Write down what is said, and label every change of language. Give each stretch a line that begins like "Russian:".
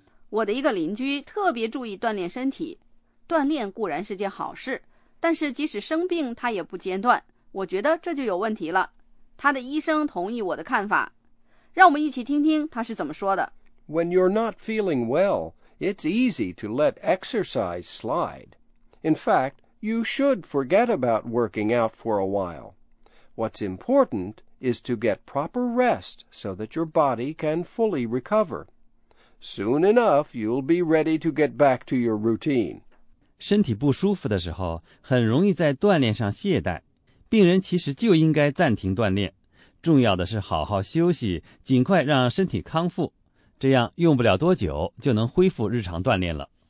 Chinese: 我的一个邻居特别注意锻炼身体，锻炼固然是件好事，但是即使生病他也不间断，我觉得这就有问题了。他的医生同意我的看法，让我们一起听听他是怎么说的。
English: When you're not feeling well, it's easy to let exercise slide. In fact, you should forget about working out for a while. What's important is to get proper rest so that your body can fully recover. Soon enough, you'll be ready to get back to your routine.
Chinese: 身体不舒服的时候，很容易在锻炼上懈怠。病人其实就应该暂停锻炼。重要的是好好休息，尽快让身体康复。这样用不了多久就能恢复日常锻炼了。